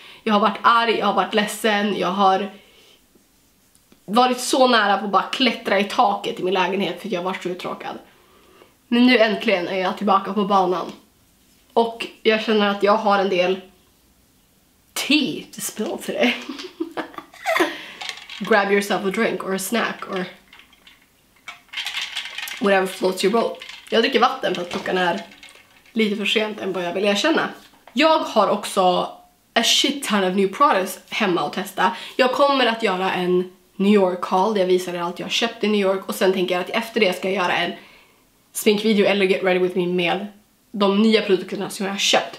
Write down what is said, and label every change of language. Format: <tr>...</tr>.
<sv>Jag har varit arg, jag har varit ledsen. Jag har varit så nära på att bara klättra i taket i min lägenhet för jag var så uttråkad. Men nu äntligen är jag tillbaka på banan. Och jag känner att jag har en del</sv> <en>tea to spill today. Grab yourself a drink or a snack or whatever floats your boat.</en> <sv>Jag dricker vatten för att klockan är lite för sent än vad jag vill erkänna. Jag har också</sv> <en>a shit ton of new products</en> <sv>hemma att testa. Jag kommer att göra en New York haul där jag visar er allt jag har köpt i New York. Och sen tänker jag att efter det ska jag göra en sminkvideo eller get ready with me med de nya produkterna som jag har köpt.</sv>